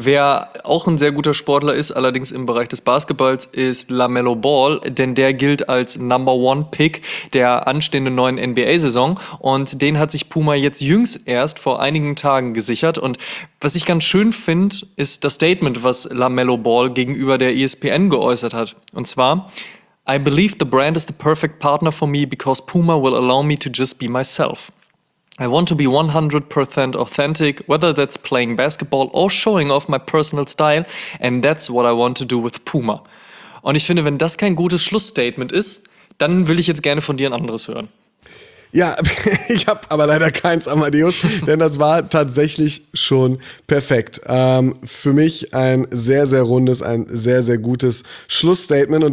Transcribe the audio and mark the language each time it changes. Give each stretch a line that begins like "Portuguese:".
German: Wer auch ein sehr guter Sportler ist, allerdings im Bereich des Basketballs, ist LaMelo Ball, denn der gilt als Number One Pick der anstehenden neuen NBA-Saison, und den hat sich Puma jetzt jüngst erst vor einigen Tagen gesichert. Und was ich ganz schön finde, ist das Statement, was LaMelo Ball gegenüber der ESPN geäußert hat. Und zwar:
English: I believe the brand is the perfect partner for me because Puma will allow me to just be myself. I want to be 100% authentic, whether that's playing basketball or showing off my personal style, and that's what I want to do with Puma.
German: Und ich finde, wenn das kein gutes Schlussstatement ist, dann will ich jetzt gerne von dir ein anderes hören. Ja, ich habe aber leider keins, Amadeus, denn das war tatsächlich schon perfekt. Für mich ein sehr, sehr rundes, ein sehr, sehr gutes Schlussstatement.